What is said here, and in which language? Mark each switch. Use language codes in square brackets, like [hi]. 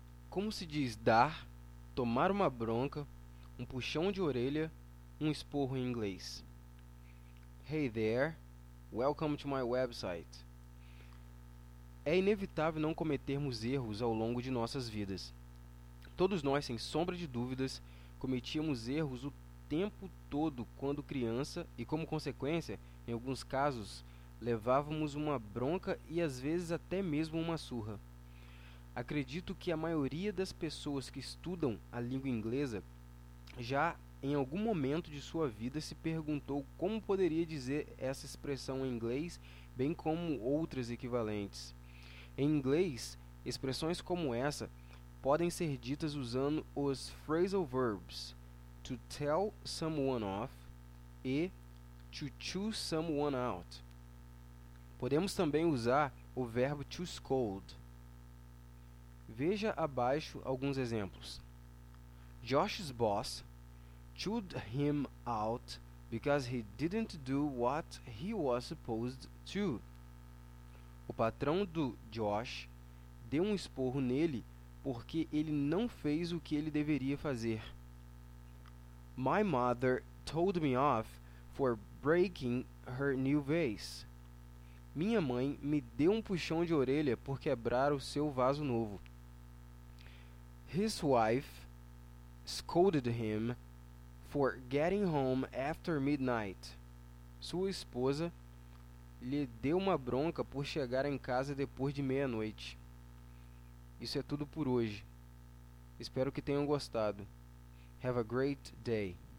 [pt] como se diz dar, tomar uma bronca, um puxão de orelha, um esporro em inglês. [en] Hey there, welcome to my website. [pt] É inevitável não cometermos erros ao longo de nossas vidas. Todos nós, sem sombra de dúvidas, cometíamos erros o tempo todo quando criança e, como consequência, em alguns casos, levávamos uma bronca e às vezes até mesmo uma surra. Acredito que a maioria das pessoas que estudam a língua inglesa já em algum momento de sua vida se perguntou como poderia dizer essa expressão em inglês, bem como outras equivalentes. Em inglês, expressões como essa podem ser ditas usando os phrasal verbs to tell someone off e to chew someone out. Podemos também usar o verbo to scold. Veja abaixo alguns exemplos. [en] Josh's boss chewed him out because he didn't do what he was supposed to. [pt] O patrão do Josh deu um esporro nele porque ele não fez o que ele deveria fazer. [en] My mother told me off for breaking her new vase. [pt] Minha mãe me deu um puxão de orelha por quebrar o seu vaso novo. [en] His wife scolded him for getting home after midnight. [pt] Sua esposa lhe deu uma bronca por chegar em casa depois de meia-noite. Isso é tudo por hoje. Espero que tenham gostado. [en] Have a great day.